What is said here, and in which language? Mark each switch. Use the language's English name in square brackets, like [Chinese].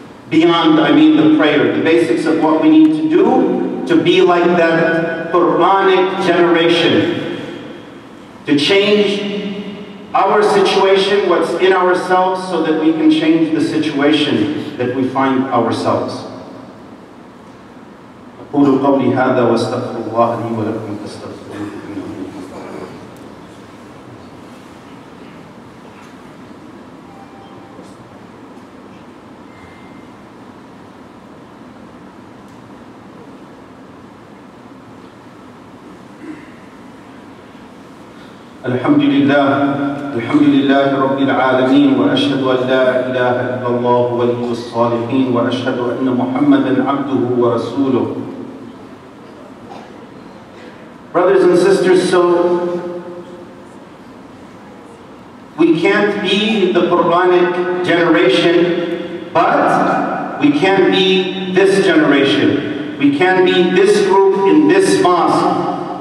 [English] Beyond, I mean, the prayer, the basics of what we need to do to be like that Quranic generation, to change our situation, what's in ourselves, so that we can change the situation that we find ourselves. [Arabic] أقول قولي هذا واستغفر الله لي ولكم فاستغفروه إنه هو الغفور الرحيم. الحمد لله. الحمد لله رب العالمين وأشهد أن لا إله إلا الله ولي الصالحين وأشهد أن محمدا عبده ورسوله. [English] Brothers and sisters, so we can't be the Quranic generation, but we can be this generation. We can be this group in this mosque.